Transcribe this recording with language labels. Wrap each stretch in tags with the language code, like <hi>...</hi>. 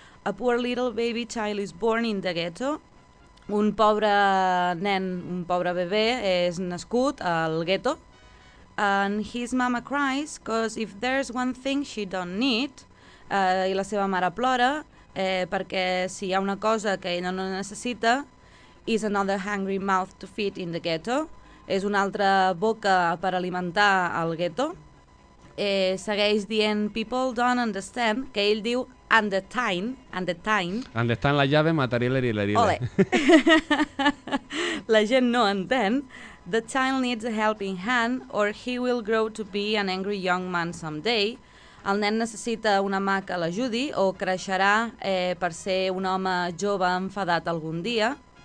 <en>"A poor little baby child is born in the ghetto".</en> <ca>Un pobre nen, un pobre bebè, és nascut al ghetto.</ca> <en>"And his mama cries, 'cause if there's one thing she don't need",</en> <ca>i la seva mare plora, perquè si hi ha una cosa que ella no necessita,</ca> <en>"is another hungry mouth to feed in the ghetto",</en> <ca>és una altra boca per alimentar al ghetto. Segueix dient</ca> <en>"people don't understand",</en> <ca>que ell diu understand la llave, material i l'herida. Ole! La gent no entén.</ca> <en>"The child needs a helping hand or he will grow to be an angry young man someday".</en> <ca>El nen necessita una mà que l'ajudi o creixerà per ser un home jove enfadat algun dia.</ca>